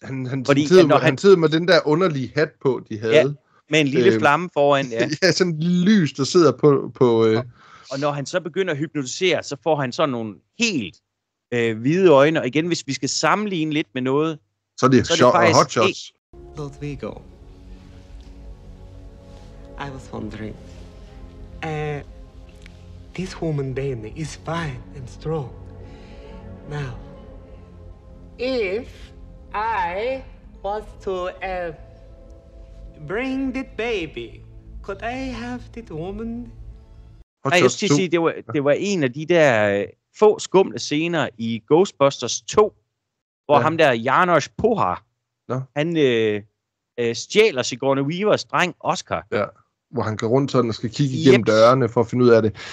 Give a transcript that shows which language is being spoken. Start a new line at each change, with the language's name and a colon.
Danish: Han sidder med den der underlige hat på, de havde. Ja, med en lille flamme foran, ja. Ja, sådan en lys, der sidder på Og når han så begynder at hypnotisere, så får han sådan nogle helt hvide øjne. Og igen, hvis vi skal sammenligne lidt med noget... Så er det, faktisk hot shots.
English: Lodvigo, I was wondering, this woman Dani is fine and strong. Now, if I was to bring that baby, could I have that woman?
Danish: Nej, jeg skulle sige, det var en af de der få skumle scener i Ghostbusters 2, hvor ja. Ham der Janosch Pohar, ja. Han stjæler Sigourney Weavers dreng Oscar. Ja, hvor han går rundt sådan og skal kigge igennem yep. dørene for at finde ud af det.